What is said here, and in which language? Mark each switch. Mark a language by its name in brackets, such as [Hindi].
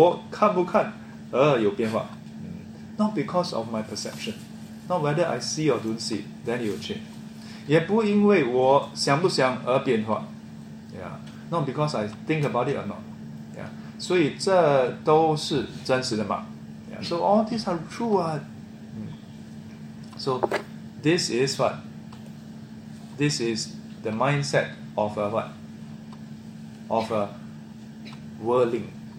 [Chinese] 他不因为我看不看而有变化。 [English] Not because of my perception. Not whether I see or don't see, then it will change. [Chinese] 也不因为我想不想而变化。 [English] Yeah. Not because I think about it or not. Yeah. [Chinese] 所以这都是真实的嘛。Yeah. [English] So all these are true. What? So this is what? This is the mindset of a what? Of a whirling.